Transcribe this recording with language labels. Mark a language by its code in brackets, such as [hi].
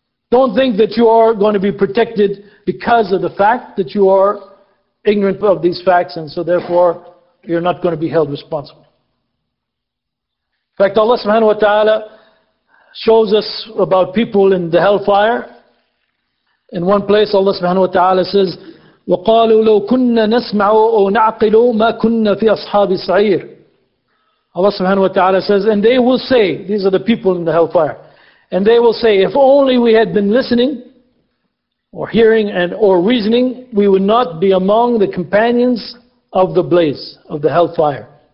[en] Don't think that you are going to be protected because of the fact that you are ignorant of these facts, and so therefore you're not going to be held responsible. In fact, Allah subhanahu wa ta'ala shows us about people in the hellfire. In one place, Allah subhanahu wa ta'ala says, [ar] وَقَالُوا لَوْ كُنَّا نَسْمَعُوا أَوْ نَعْقِلُوا مَا كُنَّا فِي أَصْحَابِ السَّعِيرِ. [en] Allah subhanahu wa ta'ala says, and they will say, these are the people in the hellfire, and they will say, if only we had been listening, or hearing, and or reasoning, we would not be among the companions of the blaze, of the hellfire.